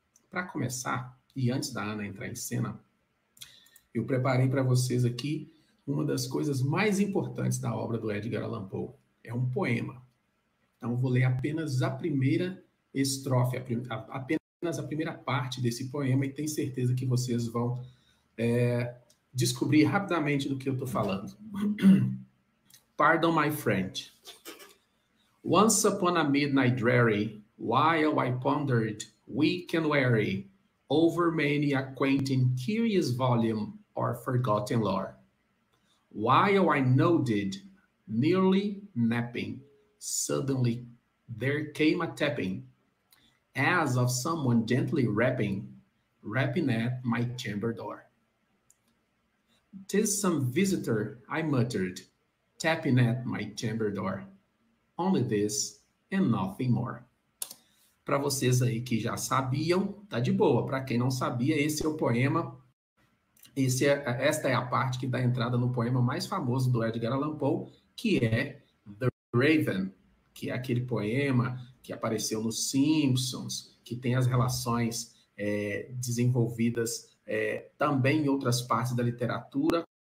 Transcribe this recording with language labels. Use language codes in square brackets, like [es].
[pt] Para começar, e antes da Ana entrar em cena, eu preparei para vocês aqui uma das coisas mais importantes da obra do Edgar Allan Poe. É um poema. Então, eu vou ler apenas a primeira estrofe, apenas a primeira parte desse poema, e tenho certeza que vocês vão descobrir rapidamente do que eu estou falando. [en] Pardon, my friend. Once upon a midnight dreary, while I pondered, weak and weary, over many a quaint and curious volume or forgotten lore. While I nodded, nearly napping, suddenly there came a tapping, as of someone gently rapping, rapping at my chamber door. "'Tis some visitor," I muttered, tapping at my chamber door. Only this and nothing more. [pt] Para vocês aí que já sabiam, tá de boa. Para quem não sabia, esse é o poema. Esta é a parte que dá entrada no poema mais famoso do Edgar Allan Poe, que é The Raven, que é aquele poema que apareceu nos Simpsons, que tem as relações desenvolvidas também em outras partes da literatura.